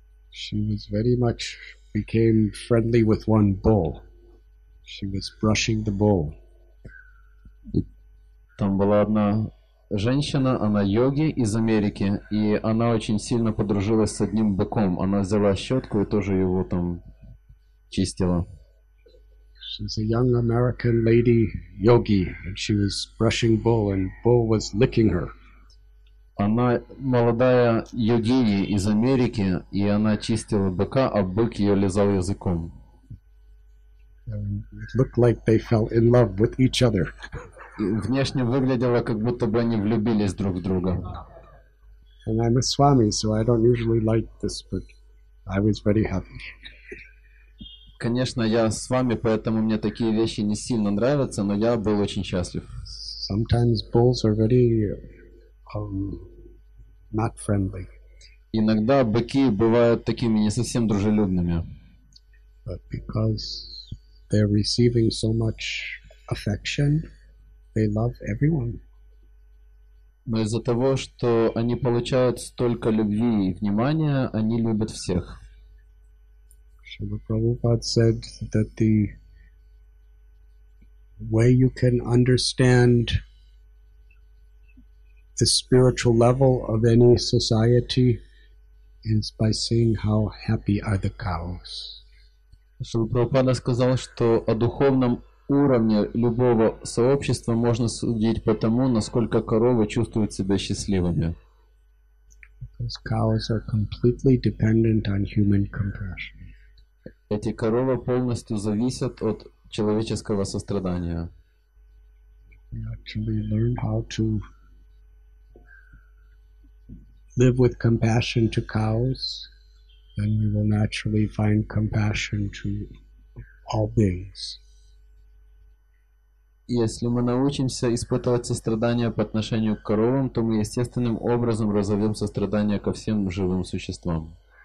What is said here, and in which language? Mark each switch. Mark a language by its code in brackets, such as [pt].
[en] She was very much became friendly with one bull. She was brushing the bull. [ru] Там была одна женщина, она йоги из Америки, и она очень сильно подружилась с одним быком. Она взяла щетку и тоже его там чистила. [en] She's a young American lady yogi, and she was brushing Bull, and Bull was licking her. [ru] Она молодая йогиня из Америки, и она чистила быка, а бык ее лизал языком. [en] It looked like they fell in love with each other. [ru] Внешне выглядело, как будто бы они влюбились друг в друга. [en] And I'm a swami, so I don't usually like this, but I was very happy. [ru] Конечно, я с вами, поэтому мне такие вещи не сильно нравятся, но я был очень счастлив. [en] Sometimes bulls are very not friendly. [ru] Иногда быки бывают такими не совсем дружелюбными. [en] But because they're receiving so much affection, they love everyone. [ru] Но из-за того, что они получают столько любви и внимания, они любят всех. [en] Шрила Прабхупад said that the way you can understand the spiritual level of any society is by seeing how happy are the cows. [ru] Шрила Прабхупада сказал, что о духовном уровне любого сообщества можно судить по тому, насколько коровы чувствуют себя счастливыми. [en] Because cows are completely dependent on human compassion. [ru] Эти коровы полностью зависят от человеческого сострадания. [en] They actually learn how to live with compassion to cows, then we will naturally find compassion to all beings. [ru] Если мы научимся испытывать сострадание по отношению к коровам, то мы естественным образом разовьем сострадание ко всем живым существам.